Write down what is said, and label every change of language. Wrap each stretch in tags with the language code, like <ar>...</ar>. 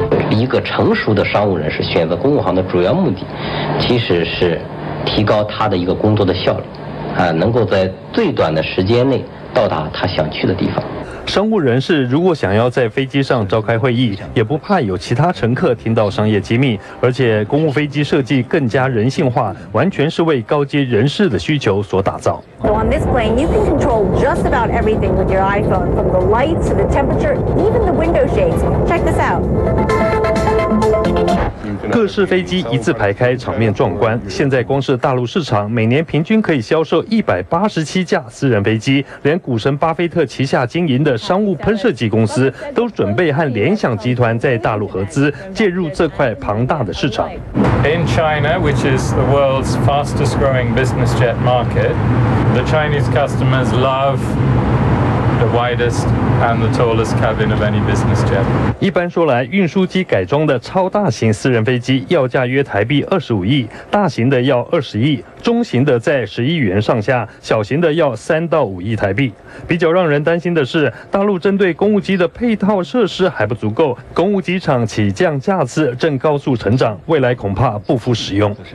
<zh>一个成熟的商务人士选择公务航的主要目的，其实是提高他的一个工作的效率，能够在最短的时间内到达他想去的地方。商务人士如果想要在飞机上召开会议，也不怕有其他乘客听到商业机密，而且公务飞机设计更加人性化，完全是为高阶人士的需求所打造。</zh> <en>So on this plane, you can control just about everything with your iPhone, from the lights to the temperature, even the window shades. Check this out.</en> <zh>各式飞机一字排开，场面壮观。现在光是大陆市场，每年平均可以销售187架私人飞机，连股神巴菲特旗下经营的商务喷射机公司都准备和联想集团在大陆合资，介入这块庞大的市场。</zh> <en>In China, which is the world's fastest growing business jet market, the Chinese customers love. The widest and the tallest cabin of any business jet.</en> <zh>一般说来，运输机改装的超大型私人飞机要价约台币25亿，大型的要20亿，中型的在10亿元上下，小型的要3-5亿台币。比较让人担心的是，大陆针对公务机的配套设施还不足够，公务机场起降架次正高速成长，未来恐怕不敷使用。</zh>